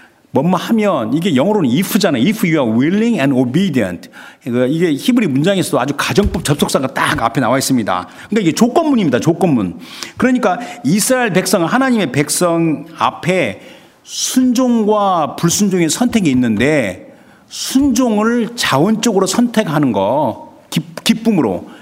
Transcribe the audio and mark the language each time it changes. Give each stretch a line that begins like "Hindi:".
Korean: 뭐뭐 하면 이게 영어로는 if잖아요.
English: If you are willing and obedient.
Korean: 이게 히브리 문장에서도 아주 가정법 접속사가 딱 앞에 나와 있습니다. 그러니까 이게 조건문입니다. 조건문. 그러니까 이스라엘 백성, 하나님의 백성 앞에 순종과 불순종의 선택이 있는데, 순종을 자원적으로 선택하는 거, 기쁨으로.